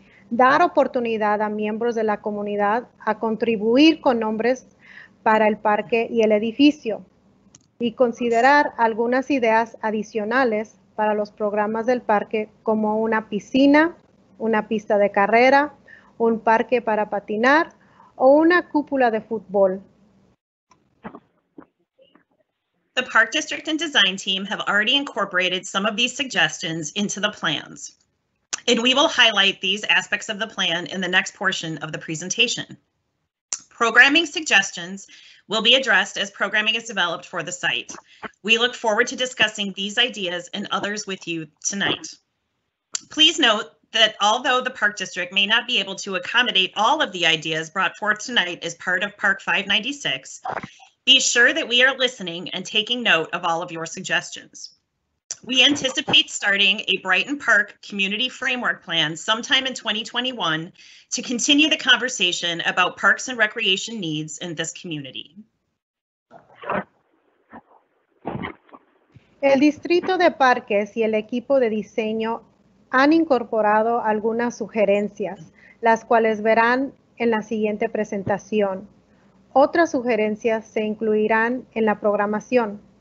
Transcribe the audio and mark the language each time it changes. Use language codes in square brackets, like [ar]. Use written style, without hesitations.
[es] Dar oportunidad a miembros de la comunidad a contribuir con nombres para el parque y el edificio. Y considerar algunas ideas adicionales para los programas del parque como una piscina, una pista de carrera, un parque para patinar o una cúpula de fútbol. [en] The Park District and Design Team have already incorporated some of these suggestions into the plans, and we will highlight these aspects of the plan in the next portion of the presentation. Programming suggestions will be addressed as programming is developed for the site. We look forward to discussing these ideas and others with you tonight. Please note that although the Park District may not be able to accommodate all of the ideas brought forth tonight as part of Park 596, be sure that we are listening and taking note of all of your suggestions. We anticipate starting a Brighton Park Community Framework Plan sometime in 2021 to continue the conversation about parks and recreation needs in this community. [es] El Distrito de Parques y el equipo de diseño han incorporado algunas sugerencias, las cuales verán en la siguiente presentación. Otras sugerencias se incluirán en la programación.